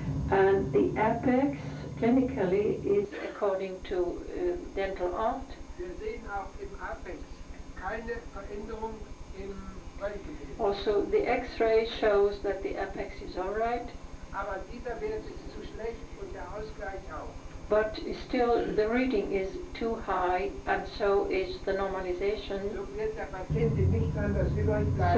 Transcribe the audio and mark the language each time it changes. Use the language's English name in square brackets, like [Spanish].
[English] And the apex clinically is according to dental art. [German] Wir sehen auch im Apex keine Veränderung im Röntgen. [English] Also the X-ray shows that the apex is all right. [German] Aber dieser Wert ist zu schlecht und der Ausgleich auch. [English] But still the reading is too high and so is the normalization. [German] So wird der Patient ihn nicht an das Röntgen.